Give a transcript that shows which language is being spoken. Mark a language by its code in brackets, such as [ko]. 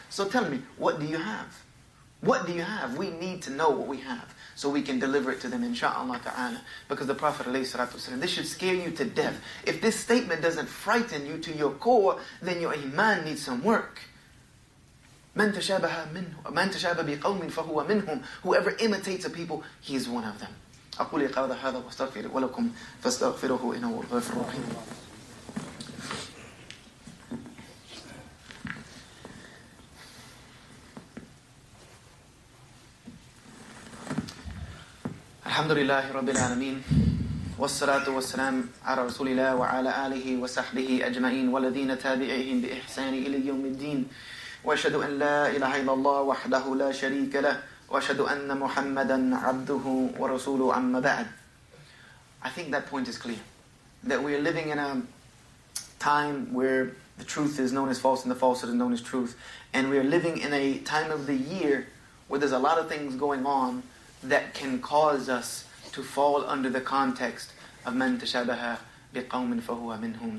[en] So tell me, what do you have? What do you have? We need to know what we have so we can deliver it to them, insha'Allah ta'ala. Because the Prophet alayhi salatu wasalam, this should scare you to death. If this statement doesn't frighten you to your core, then your iman needs some work. [ar] مَنْ تَشَابَهَ بِقَوْمٍ فَهُوَ مِنْهُمْ [en] Whoever imitates a people, he is one of them. [ar] أقول قرض هذا واستغفر ولكم فاستغفره إنه الغفور الرحيم. الحمد لله رب العالمين والصلاة والسلام على رسول الله وعلى آله وصحبه أجمعين والذين تابعهم بإحسان إلى يوم الدين وأشهد أن لا إله إلا الله وحده لا شريك له وَأَشْهَدُ أَنَّ مُحَمَّدًا عَبْدُهُ وَرَسُولُهُ أَمَّا بَعْدُ. [en] I think that point is clear. That we are living in a time where the truth is known as false and the falsehood is known as truth. And we are living in a time of the year where there's a lot of things going on that can cause us to fall under the context of [ar] مَنْ تَشَابَهَ بِقَوْمٍ فَهُوَ مِنْهُمْ.